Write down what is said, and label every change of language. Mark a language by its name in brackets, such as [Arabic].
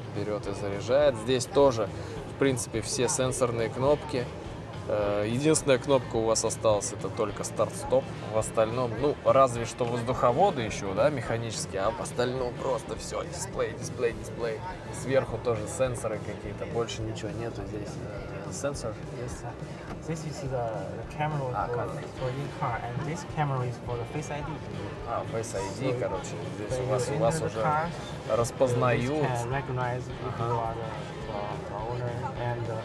[Russian] Берет и заряжает. Здесь тоже, в принципе, все сенсорные кнопки. Единственная кнопка у вас осталась, это только старт-стоп. В остальном, ну, разве что воздуховоды еще, да, механические, а в остальном просто все, дисплей. Сверху тоже сенсоры какие-то, больше ничего нету здесь. Это сенсор? [English] Yes, this is the camera for the car, and this camera is for the Face ID. [Russian] А, Face ID, so, короче, здесь so у вас уже car, распознают. [English] You can recognize if you are the owner and